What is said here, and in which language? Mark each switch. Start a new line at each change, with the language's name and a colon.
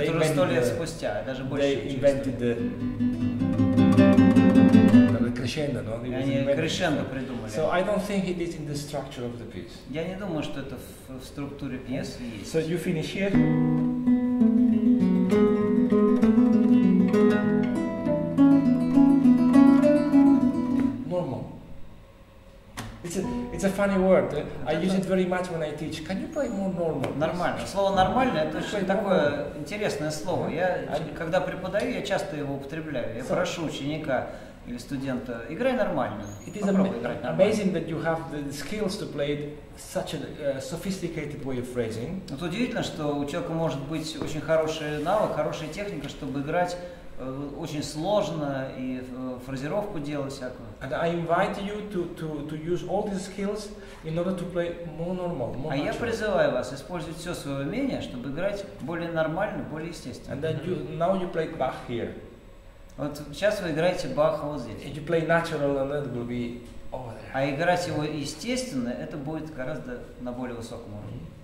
Russian: Это уже 100 лет спустя, даже больше.
English: They invented the. Crescendo, no?
Russian: Они крещендо придумали.
English: So I don't think it is in the structure of the piece.
Russian: Я не думаю, что это в структуре пьесы есть.
English: So you finish here. Normal. It's a funny word. I use it very much when I teach. Can you play more normal?
Russian: Нормально. Слово нормально — это очень такое интересное слово. Я когда преподаю, я часто его употребляю. Я прошу ученика или студента: играй нормально.
English: It is amazing that you have the skills to play such a sophisticated way of phrasing.
Russian: Это удивительно, что у человека может быть очень хороший навык, хорошая техника, чтобы играть очень сложно и фразировку делать всякую.
English: And I invite you to use all these skills in order to play more normal, more natural.
Russian: А я призываю вас использовать все свое умение, чтобы играть более нормально, более естественно.
English: And then you, now you played Bach here.
Russian: Вот сейчас вы играете Баха вот здесь.
English: If you play natural, then it will be over there.
Russian: А играть его естественно, это будет гораздо на более высоком уровне.